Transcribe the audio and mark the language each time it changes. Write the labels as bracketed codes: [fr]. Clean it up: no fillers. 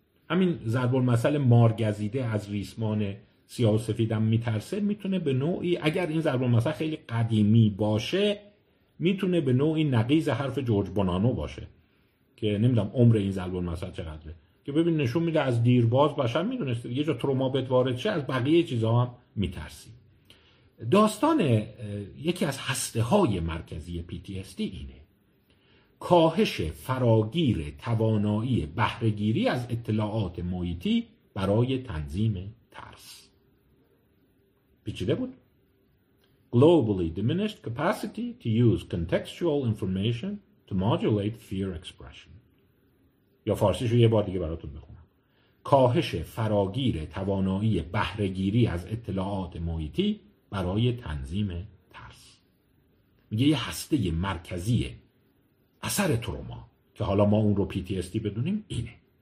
[fa] همین ضرب المثل مار گزیده از ریسمان سیاه و سفیدم میترسه، میتونه به نوعی اگر این ضرب المثل خیلی قدیمی باشه میتونه به نوعی نقیض حرف جورج بونانو باشه که نمیدونم عمر این ضرب المثل چقدره، که ببین نشون میده از دیرباز بشر میدونسته یه جا تروما بهت وارد شه از بقیه چیزا هم میترسی. داستان یکی از هسته های مرکزی PTSD اینه، کاهش فراگیر توانایی بهره گیری از اطلاعات محیطی برای تنظیم ترس. پیچیده بود؟ [en] Globally diminished capacity to use contextual information to modulate fear expression. [fa] یا فارسیشو یه بار دیگه براتون بخونم. کاهش فراگیر توانایی بهره‌گیری از اطلاعات محیطی برای تنظیم ترس. میگه یه هسته مرکزی اثر تروما که حالا ما اون رو PTSD بدونیم اینه.